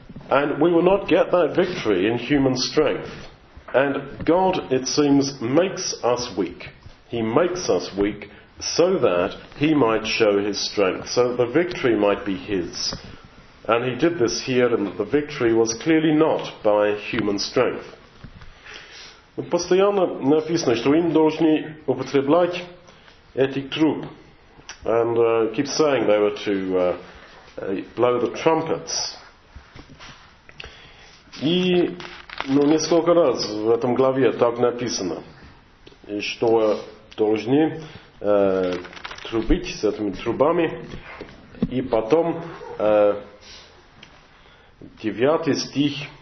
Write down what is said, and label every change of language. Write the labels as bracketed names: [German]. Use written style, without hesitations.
[English] And we will not get that victory in human strength. And God, it seems, makes us weak. He makes us weak so that he might show his strength, so that the victory might be his. And he did this here, and the victory was clearly not by human strength. [Russian] Постоянно написано, что им должны употреблять этих труб. [English] And keep saying they were to blow the trumpets. [Russian] И ну, несколько раз в этом главе так написано, что должны трубить с этими трубами, и потом девятый стих.